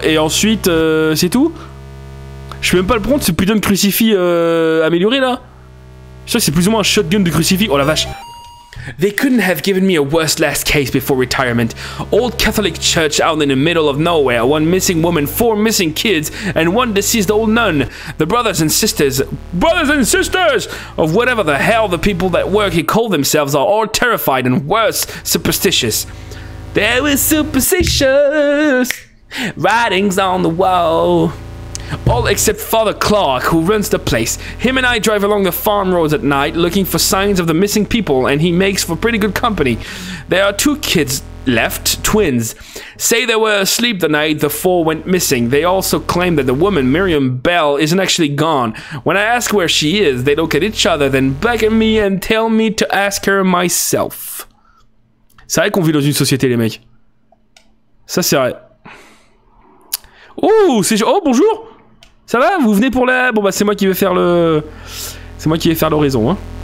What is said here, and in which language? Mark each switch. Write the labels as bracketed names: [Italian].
[French] Et ensuite, c'est tout? Je peux même pas le prendre, ce putain de crucifix amélioré là. Ça, c'est plus ou moins un shotgun de crucifix. Oh la vache. [English] They couldn't have given me a worse last case before retirement. Old Catholic church out in the middle of nowhere, one missing woman, four missing kids, and one deceased old nun. The brothers and sisters of whatever the hell the people that work here call themselves are all terrified and worse, superstitious. There was superstitious writings on the wall. All except Father Clark, who runs the place. Him and I drive along the farm roads at night looking for signs of the missing people, and he makes for pretty good company. There are two kids left, twins. Say they were asleep the night the four went missing. They also claim that the woman, Miriam Bell, isn't actually gone. When I ask where she is, they look at each other, then beckon me and tell me to ask her myself. [French] C'est vrai qu'on vit dans une société, les mecs. Ça, c'est vrai. Oh, c'est... Oh, bonjour. Ça va? Vous venez pour la... Bon, bah, c'est moi qui vais faire le... C'est moi qui vais faire l'oraison, hein.